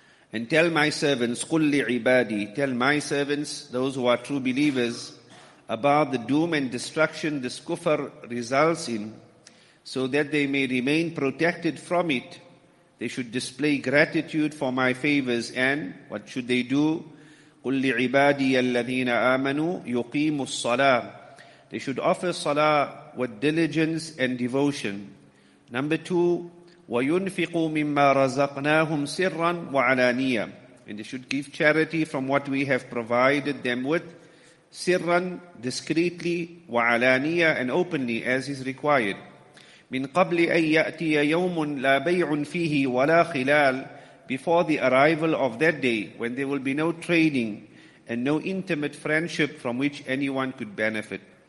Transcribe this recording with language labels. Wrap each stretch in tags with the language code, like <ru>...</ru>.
<en>And tell my servants,</en> <ar>قُلْ لِعِبَادِي,</ar> <en>tell my servants, those who are true believers, about the doom and destruction this kufr results in, so that they may remain protected from it. They should display gratitude for my favors. And what should they do?</en> <ar>قُلْ لِعِبَادِيَ الَّذِينَ آمَنُوا يُقِيمُوا الصَّلَاةِ.</ar> <en>They should offer salah with diligence and devotion. Number two,</en> <ar>وَيُنْفِقُوا مِمَّا رَزَقْنَاهُمْ سِرًّا وَعَلَانِيًّا.</ar> <en>And they should give charity from what we have provided them with, سِرًّا, discreetly, وَعَلَانِيًّا, and openly, as is required.</en> <ar>مِنْ قَبْلِ أَنْ يَأْتِيَ يَوْمٌ لَا بَيْعٌ فِيهِ وَلَا خِلَالٌ.</ar> <en>Before the arrival of that day, when there will be no trading and no intimate friendship from which anyone could benefit.</en>